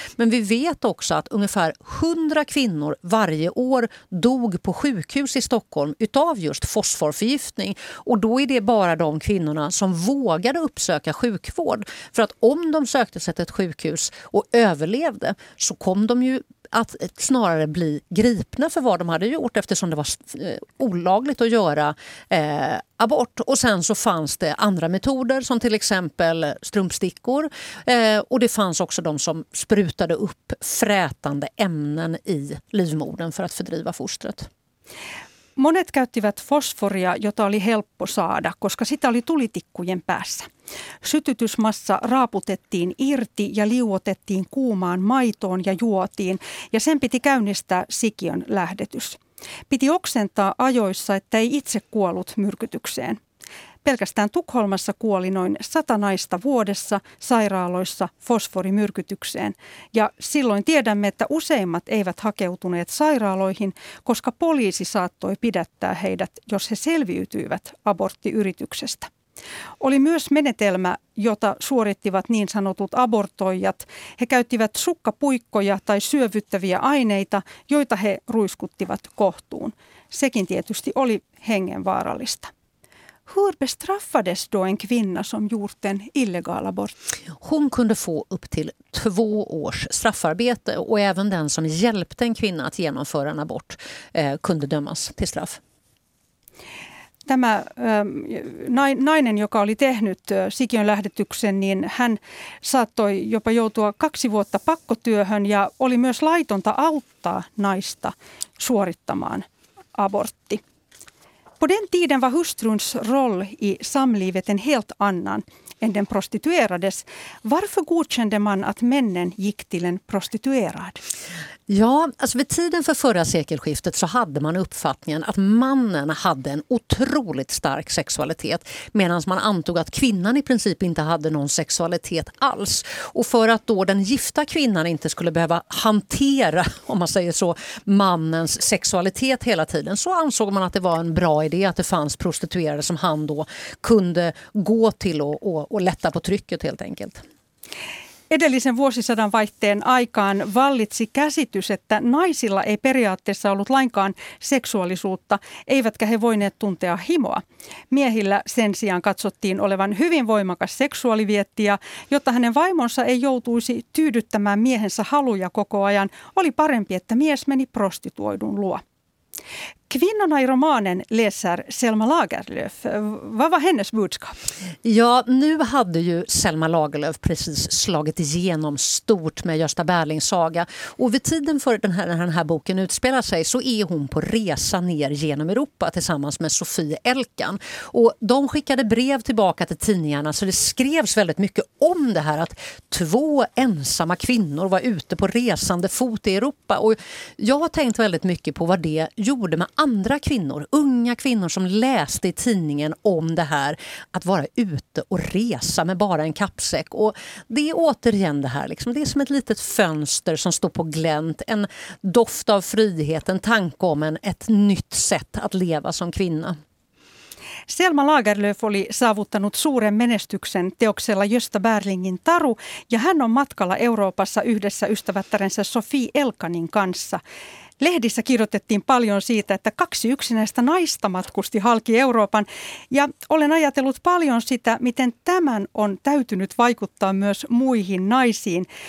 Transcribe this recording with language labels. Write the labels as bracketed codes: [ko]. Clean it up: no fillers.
[sv] Men vi vet också att ungefär 100 kvinnor varje år dog på sjukhus i Stockholm utav just fosforförgiftning, och då är det bara de kvinnorna som vågade uppsöka sjukvård, för att om de sökte sig till ett sjukhus och överlevde så kom de ju att snarare bli gripna för vad de hade gjort, eftersom det var olagligt att göra abort. Och sen så fanns det andra metoder, som till exempel strumpstickor, och det fanns också de som sprutade upp frätande ämnen i livmodern för att fördriva fostret. [fi] Monet käyttivät fosforia, jota oli helppo saada, koska sitä oli tulitikkujen päässä. Sytytysmassa raaputettiin irti ja liuotettiin kuumaan maitoon ja juotiin, ja sen piti käynnistää sikiön lähdetys. Piti oksentaa ajoissa, että ei itse kuollut myrkytykseen. Pelkästään Tukholmassa kuoli noin 100 naista vuodessa sairaaloissa fosforimyrkytykseen. Ja silloin tiedämme, että useimmat eivät hakeutuneet sairaaloihin, koska poliisi saattoi pidättää heidät, jos he selviytyivät aborttiyrityksestä. Oli myös menetelmä, jota suorittivat niin sanotut abortoijat. He käyttivät sukkapuikkoja tai syövyttäviä aineita, joita he ruiskuttivat kohtuun. Sekin tietysti oli hengenvaarallista. [sv] Hur bestraffades då en kvinna som gjort en illegal abort? Hon kunde få upp till 2 års straffarbete och även den som hjälpte en kvinna att genomföra en abort kunde dömas till straff. [fi] Tämä nainen, joka oli tehnyt sikiön lähdetyksen, niin hän saattoi jopa joutua 2 vuotta pakkotyöhön ja oli myös laitonta auttaa naista suorittamaan abortti. [sv] På den tiden var hustruns roll i samlivet en helt annan än den prostituerades. Varför godkände man att männen gick till en prostituerad? Ja, alltså vid tiden för förra sekelskiftet så hade man uppfattningen att mannen hade en otroligt stark sexualitet, medan man antog att kvinnan i princip inte hade någon sexualitet alls. Och för att då den gifta kvinnan inte skulle behöva hantera, om man säger så, mannens sexualitet hela tiden, så ansåg man att det var en bra idé att det fanns prostituerade som han då kunde gå till och lätta på trycket helt enkelt. [fi] Edellisen vuosisadan vaihteen aikaan vallitsi käsitys, että naisilla ei periaatteessa ollut lainkaan seksuaalisuutta, eivätkä he voineet tuntea himoa. Miehillä sen sijaan katsottiin olevan hyvin voimakas seksuaalivietti, jotta hänen vaimonsa ei joutuisi tyydyttämään miehensä haluja koko ajan, oli parempi, että mies meni prostituoidun luo. [sv] Kvinnorna i romanen läser Selma Lagerlöf. Vad var hennes budskap? Ja, nu hade ju Selma Lagerlöf precis slagit igenom stort med Gösta Berlings saga. Och vid tiden för den här boken utspelar sig så är hon på resa ner genom Europa tillsammans med Sofie Elkan. Och de skickade brev tillbaka till tidningarna, så det skrevs väldigt mycket om det här att 2 ensamma kvinnor var ute på resande fot i Europa. Och jag har tänkt väldigt mycket på vad det gjorde med andra kvinnor, unga kvinnor som läste i tidningen om det här att vara ute och resa med bara en kappsäck. Och det är återigen det här, liksom, det är som ett litet fönster som står på glänt, en doft av frihet, en tanke om ett nytt sätt att leva som kvinna. [fi] Selma Lagerlöf oli saavuttanut suuren menestyksen teoksella Gösta Berlingin Taru, ja hän on matkalla Euroopassa yhdessä ystävättärensä Sofie Elkanin kanssa. Lehdissä kirjoitettiin paljon siitä, että 2 yksinäistä naista matkusti halki Euroopan, ja olen ajatellut paljon sitä, miten tämän on täytynyt vaikuttaa myös muihin naisiin.